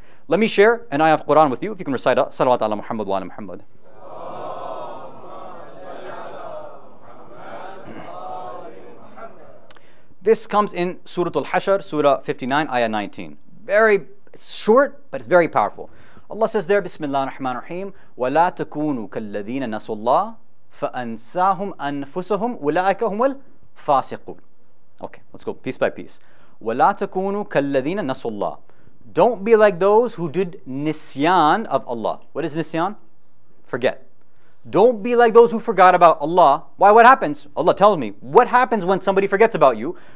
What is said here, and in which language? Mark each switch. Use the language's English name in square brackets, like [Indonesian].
[English] Let me share an ayah of Quran with you, if you can recite salawat ala Muhammad wa ala Muhammad. This comes in Surah Al-Hashr, Surah 59, Ayah 19. Very short, but it's very powerful. Allah says there, [Arabic] Bismillah ar-Rahman ar-Rahim, وَلَا تَكُونُوا كَالَّذِينَ نَسُوا اللَّهِ فَأَنْسَاهُمْ أَنفُسَهُمْ أُولَٰئِكَ هُمُ الْفَاسِقُونَ. [English] Okay, let's go piece by piece. [Arabic] وَلَا تَكُونُوا كَالَّذِينَ نَسُوا اللَّهِ. [English] Don't be like those who did nisyan of Allah. What is nisyan? Forget. Don't be like those who forgot about Allah. Why, what happens? Allah tells me, what happens when somebody forgets about you?